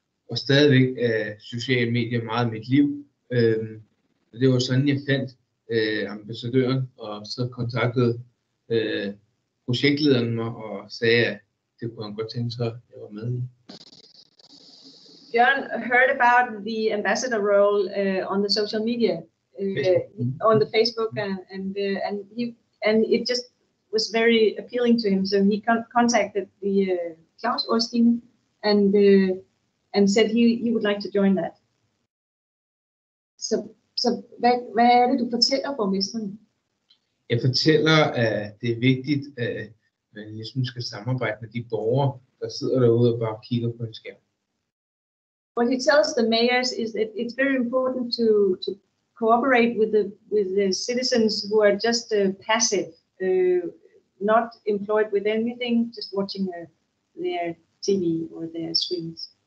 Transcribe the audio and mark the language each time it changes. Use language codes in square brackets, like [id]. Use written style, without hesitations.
[da] Og stadigvæk er sociale medier meget af mit liv. Og det var sådan, jeg fandt ambassadøren, og så kontaktede projektlederen mig og sagde, at det kunne han godt tænke sig, at jeg var med i. [en] Bjørn heard about the ambassador role on the social media, on the Facebook, and it just was very appealing to him. So he contacted the Klaus Orstein and said he would like to join that. [da] Så hvad er det, du fortæller borgmesteren? Jeg fortæller, at det er vigtigt, at man ligesom skal samarbejde med de borgere, der sidder derude og bare kigger på en skærm. [en] What he tells the mayors is that it's very important to cooperate with the citizens who are just passive, not employed with anything, just watching their TV or their screens.